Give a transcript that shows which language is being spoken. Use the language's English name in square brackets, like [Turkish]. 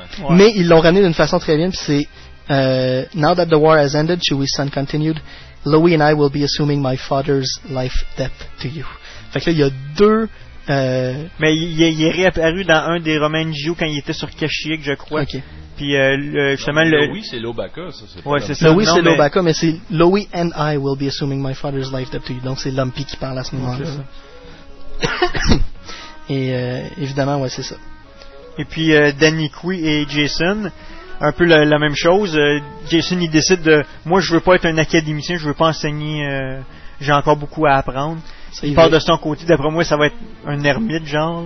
[French] Mais ils l'ont ramené d'une façon très bien, puis c'est [English] Now that the war has ended, Chewie's son continued, Louie and I will be assuming my father's life debt to you. [French] Fait que là, il y a deux. Mais il est réapparu dans un des Roman Gio quand il était sur Kashyyyk, je crois. [English] Okay. [French] Puis justement, non, Louis, c'est l'Obaka, ça. C'est ouais, c'est ça. Louis, non, c'est mais... l'Obaka, mais c'est [English] Louis and I will be assuming my father's life debt to you. [French] Donc c'est Lumpy qui parle à ce moment-là. Okay. Et évidemment, ouais, c'est ça. Et puis Danny Cui et Jason, un peu la même chose. Jason, il décide de, moi, je veux pas être un académicien, je veux pas enseigner. J'ai encore beaucoup à apprendre. Ça, il part de son côté, d'après moi, ça va être un ermite, genre.